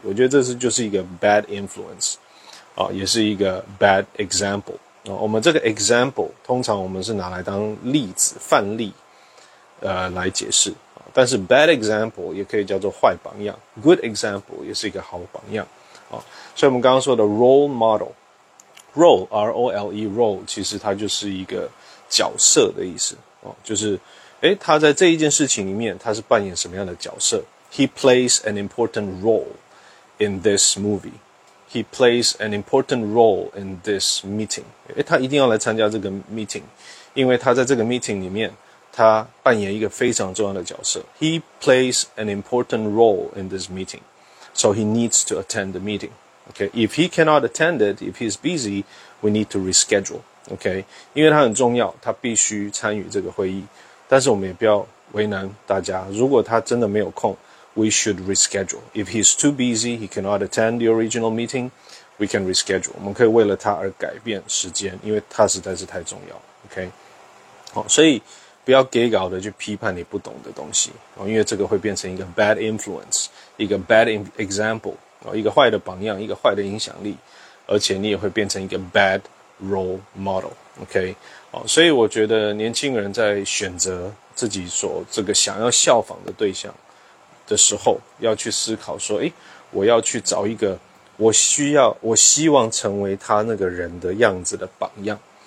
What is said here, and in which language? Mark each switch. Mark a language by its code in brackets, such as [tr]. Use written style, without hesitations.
[zh] 我觉得这是就是一个 [en] bad influence、 [zh] 也是一个 [en] bad example、 [zh] 我们这个 example 通常我们是拿来当例子范例来解释，但是 bad example 也可以叫做坏榜样， [en] good example [zh] 也是一个好榜样、所以我们刚刚说的 role model， role R-O-L-E role 其实它就是一个角色的意思、就是他在这一件事情里面他是扮演什么样的角色。 [en] He plays an important role in this movie. He plays an important role in this meeting. [zh] 他一定要来参加这个 meeting， 因为他在这个 meeting 里面他扮演一个非常重要的角色。 [en] He plays an important role in this meeting. So he needs to attend the meeting. Okay, if he cannot attend it, if he is busy, we need to reschedule. [zh] Okay, 因为他很重要，他必须参与这个会议。但是我们也不要为难大家，如果他真的没有空， [en] we should reschedule. If he's too busy, he cannot attend the original meeting, we can reschedule. [zh] 我们可以为了他而改变时间，因为他实在是太重要。 OK， 好，所以不要给稿的去批判你不懂的东西、因为这个会变成一个 [en] bad influence， [zh] 一个 [en] bad example、 [zh] 一个坏的榜样，一个坏的影响力，而且你也会变成一个 [en] bad role model。 [zh] OK，所以我觉得年轻人在选择自己所这个想要效仿的对象的时候，要去思考说，诶，我要去找一个我需要，我希望成为他那个人的样子的榜样、